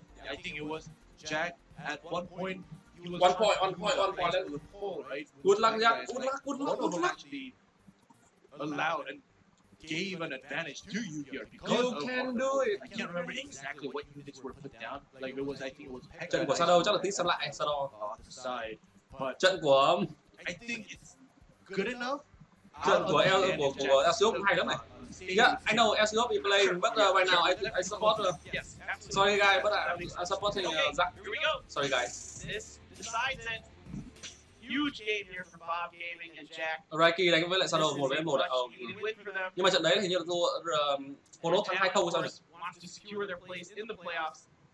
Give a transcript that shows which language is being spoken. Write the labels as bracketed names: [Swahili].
[English] I think it was Jack at one point. He was one point. Right? With pull, right? Good luck, Jack, good luck. Actually allowed and gave an advantage to you here. You can do it. I can't remember exactly what units were put down. Like it was, I think it was Pekka. [Vietnamese] Trận của Shadow chắc là tí xem lại. Shadow. [English] But [Vietnamese] trận của [English] I think it's good enough. [Vietnamese] Trận của El của Elsiop hay lắm này. [English] Yeah, I know Elsiop he play, but right now I support. Yes, sorry guys, but I'm supporting Zach. Here we go. Sorry guys. This decides it. Huge game here for Bob Gaming and Jack. [Vietnamese] Raiki đánh với lại Shadow 1v1 nhưng mà trận đấy là hình như là thua Polo thắng 2-0 sao được. [English] Wants to secure their place in the playoffs.